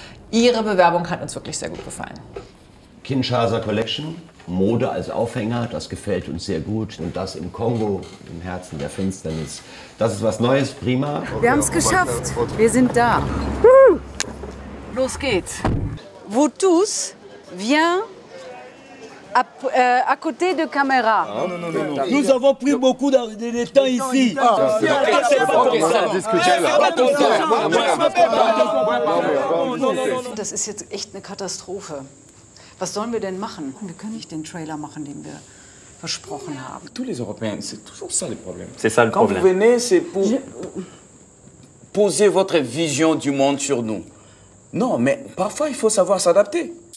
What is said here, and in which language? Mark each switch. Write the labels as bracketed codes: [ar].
[de] Ihre Bewerbung hat uns wirklich sehr gut gefallen. Kinshasa Collection, Mode als Aufhänger, das gefällt uns sehr gut. Und das im Kongo, im Herzen der Finsternis. Das ist was Neues, prima. Wir haben es geschafft, wir sind da. Los geht's. [fr] Votus vient à côté de caméra. Nous avons pris beaucoup de temps ici. [de] Das ist jetzt echt eine Katastrophe. Was sollen wir denn machen? Wir können nicht den Trailer machen, den wir versprochen haben. [fr] Tous les Européens, c'est toujours ça le problème. C'est ça le Quand problème. Quand vous venez, c'est pour poser votre vision du monde sur nous. Non, mais parfois, il faut savoir s'adapter.